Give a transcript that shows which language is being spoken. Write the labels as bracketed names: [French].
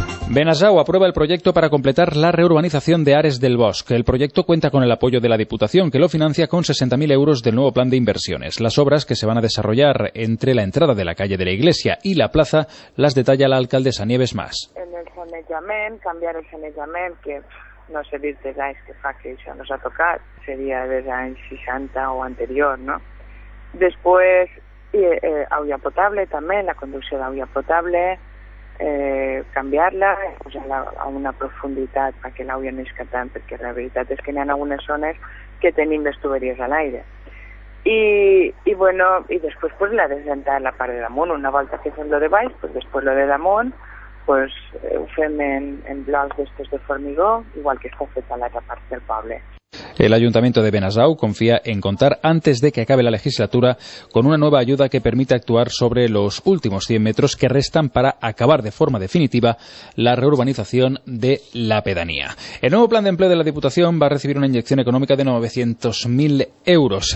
[Spanish] Benasau aprueba el proyecto para completar la reurbanización de Ares del Bosc. El proyecto cuenta con el apoyo de la Diputación, que lo financia con 60.000 euros del nuevo plan de inversiones. Las obras que se van a desarrollar entre la entrada de la calle de la Iglesia y la plaza las detalla la alcaldesa Nieves Mas. [Catalan] En el sanejament, cambiar el sanejament, que no sé dir dels anys que fa que això no s'ha tocat, seria dels anys 60 o anterior, no? Després, aigua potable també, la conducció d'aigua potable, canviar-la, posar-la a una profunditat perquè l'aigua no isca tant, perquè la veritat és que hi ha algunes zones que tenim les tuberies a l'aire. I després pues, la desdentar la part de damunt, una volta que fem lo de baix, pues, després lo de damunt, pues, ho fem en blocs d'estos de formigó, igual que està fet a l'altra part del poble. [Spanish] El Ayuntamiento de Benasau confía en contar antes de que acabe la legislatura con una nueva ayuda que permita actuar sobre los últimos 100 metros que restan para acabar de forma definitiva la reurbanización de la pedanía. El nuevo plan de empleo de la Diputación va a recibir una inyección económica de 900.000 euros.